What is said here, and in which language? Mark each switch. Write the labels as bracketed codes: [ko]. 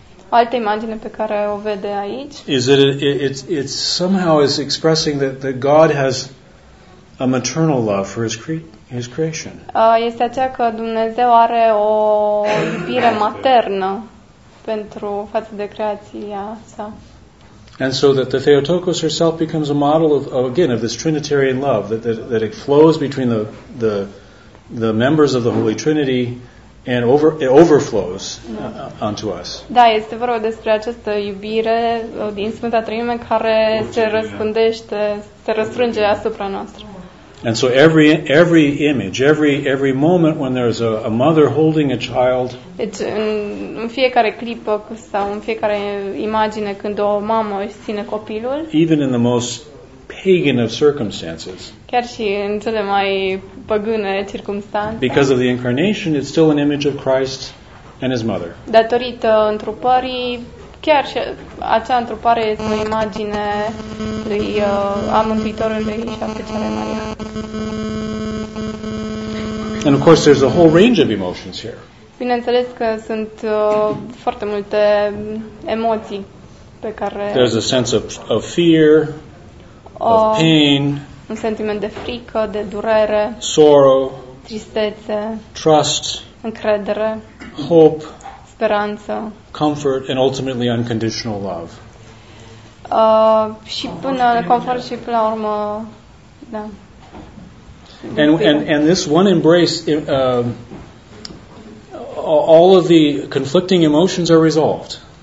[ro] O altă imagine pe care o vede aici. [en] Is that it somehow is expressing that God has a maternal love for his creation. [ro] Este aceea că Dumnezeu are o iubire maternă pentru față de creația sa. [en] And so that the Theotokos herself becomes a model of this Trinitarian love that it flows between the members of the Holy Trinity and it overflows onto us. [ro] Da, este vorba despre această iubire din Sfânta Treime care se răspândește, se răstrânge asupra noastră. [en] And so every image, every moment when there's a mother holding a child. [ro] Deci, în fiecare clipă sau în fiecare imagine când o mamă își ține copilul. [en] Even in the most pagan of circumstances. [ro] Chiar și în cele mai păgâne circumstanțe. [en] Because of the incarnation, it's still an image of Christ and his mother. [ro] Datorită întrupării, chiar și acea întrupare este o imagine lui a Mântuitorului și a Fecioarei Maria. [en] And of course there's a whole range of emotions here. [ro] Bineînțeles că sunt foarte multe emoții pe care [en] there's a sense of fear, of pain, [ro] un sentiment de frică, de durere, [en] sorrow, [ro] tristețe, [en] trust, [ro] încredere, [en] hope, [ro] speranță, [en] comfort and ultimately unconditional love. [ro] Și până la confort și până la urmă, da. [en] And this one embrace, all of the conflicting emotions are resolved.